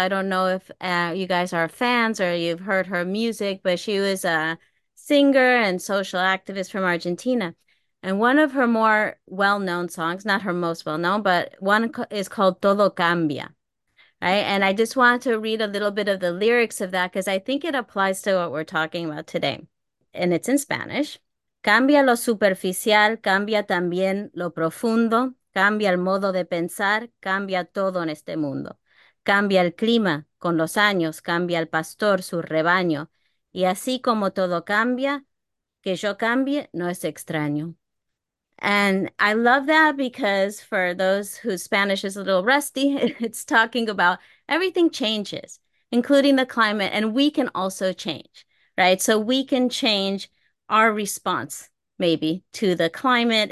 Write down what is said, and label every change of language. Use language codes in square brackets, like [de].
[en] I don't know if you guys are fans or you've heard her music, but she was a singer and social activist from Argentina. And one of her more well-known songs, not her most well-known, but one is called Todo Cambia, right? And I just want to read a little bit of the lyrics of that because I think it applies to what we're talking about today. And it's in Spanish. [es] Cambia lo superficial, cambia también lo profundo. Cambia el modo de pensar, cambia todo en este mundo. Cambia el clima, con los años, cambia el pastor, su rebaño. Y así como todo cambia, que yo cambie, no es extraño. [en] And I love that because for those whose Spanish is a little rusty, it's talking about everything changes, including the climate, and we can also change, right? So we can change our response maybe to the climate.